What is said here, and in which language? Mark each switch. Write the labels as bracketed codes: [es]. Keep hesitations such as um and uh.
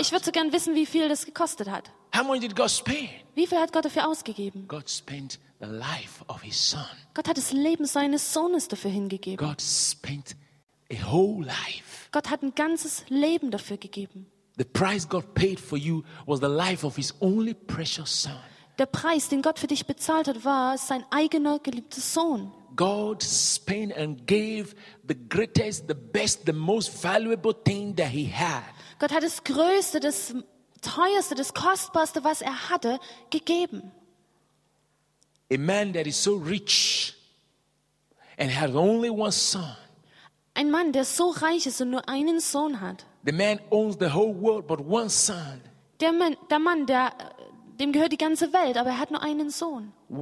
[de] Ich würde so gern wissen, wie viel das gekostet hat. [en] How much did God spend? [de] Wie viel hat Gott dafür ausgegeben? [en] God spent the life of his son. [de] Gott hat das Leben seines Sohnes dafür hingegeben. [en] God spent a whole life. [de] Gott hat ein ganzes Leben dafür gegeben. [en] The price God paid for you was the life of his only precious son. [de] Der Preis, den Gott für dich bezahlt hat, war sein eigener geliebter Sohn. [en] God spent and gave the greatest, the best, the most valuable thing that he had. [de] Gott hat das größte, das teuerste, das kostbarste, was er hatte, gegeben. [en] A man that is so rich and had only one son. [de] Ein Mann, der so reich ist und nur einen Sohn hat. [en] The man owns the whole world but one son. [de] Der Mann, der Mann, der dem gehört die ganze Welt, aber er hat nur einen Sohn.